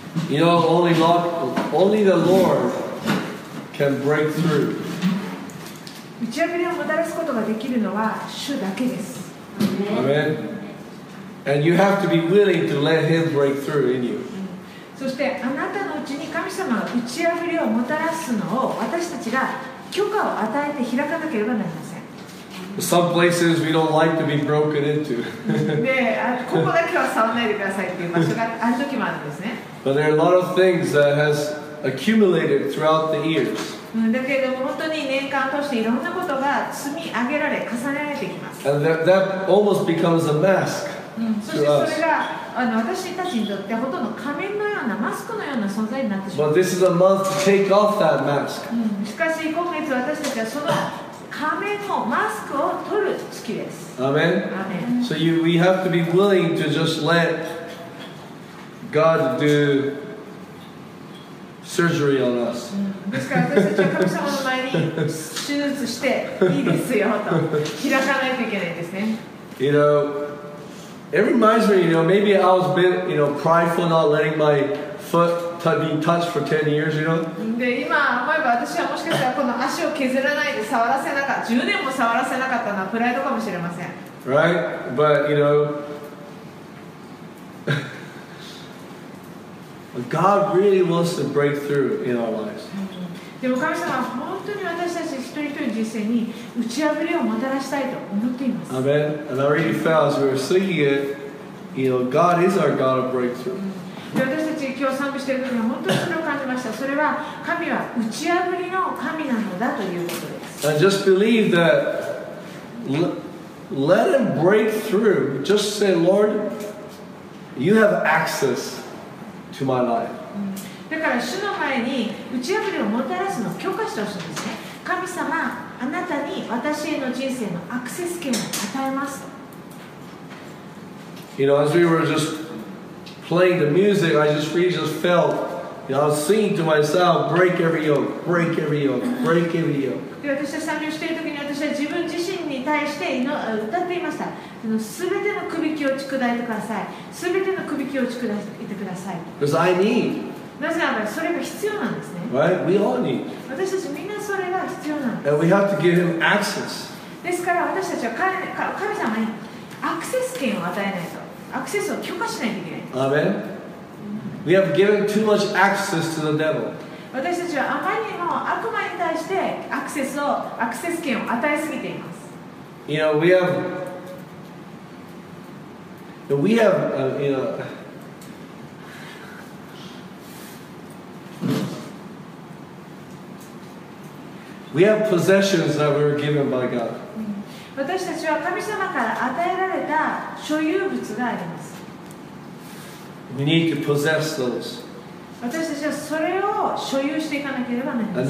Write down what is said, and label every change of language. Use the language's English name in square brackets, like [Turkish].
[English] You know, only God, only the Lord can break through. [Japanese] 打ち破りをもたらすことができるのは主だけです。アーメン。 [English] And you have to be willing to let Him break through in you. [Japanese] そしてあなたのうちに神様が打ち破りをもたらすのを私たちが許可を与えて開かなければなりません。 [English] Some places we don't like to be broken into. [Japanese] で、ここだけは触らないでくださいという場所がある時もあるんですね。 [English] But there are a lot of things that has accumulated throughout the years. [Japanese] だけども本当に年間通していろんなことが積み上げられ重ねられてきます。 [English] And that almost becomes a mask. [Japanese] そしてそれがあの私たちにとってほとんど仮面のようなマスクのような存在になってしまう。 [English] But this is a month to take off that mask. [Japanese] しかし今月私たちはその仮面のマスクを取る月です。 [English] Amen. Amen. So we have to be willing to just let God do surgery on us. [Japanese] ですから私たちは神様の前に手術していいですよと開かないといけないですね。 [English] You know,It reminds me, you know, maybe I was a bit, you know, prideful not letting my foot be touched for 10 years, you know. Right? But, you know, God really wants to break through in our lives. [Japanese] でも神様は本当に私たち一人一人の人生に打ち破りをもたらしたいと思っています。 [English] Amen. And I already felt as we were singing it, you know, God is our God of breakthrough. [Japanese] で私たち今日賛美している時は本当にそれを感じました。それは神は打ち破りの神なのだということです。 [English] And just believe that let him break through. Just say, Lord, you have access to my life. [Japanese] だから主の前に打ち破りをもたらすのを許可してほしいんですね。神様、あなたに私への人生のアクセス権を与えます。 [English] You know, as we were just playing the music, I just really just felt, you know, I was singing to myself, break every yoke, break every yoke, break every yoke. [Japanese] で、私は賛美をしているときに私は自分自身に対して歌っていました。すべての首輝きを打ち砕いてください。すべての首輝きを打ち砕いてください。 [English] Because I need. [Japanese] なぜならそれが必要なんですね。 [English] Right? We all need. [Japanese] 私たちみんなそれが必要なんです。 [English] And we have to give him access. [Japanese] ですから私たちは神様にアクセス権を与えないと。アクセスを許可しないといけない。 [English] Amen. We have given too much access to the devil. [Japanese] 私たちはあまりにも悪魔に対してアクセス権を与えすぎています。 [English] You know, We have possessions that were given by God. [Japanese] 私たちは神様から与えられた所有物があります。 [English] We need to possess those. [Japanese] 私たちはそれを所有していかなければなりません。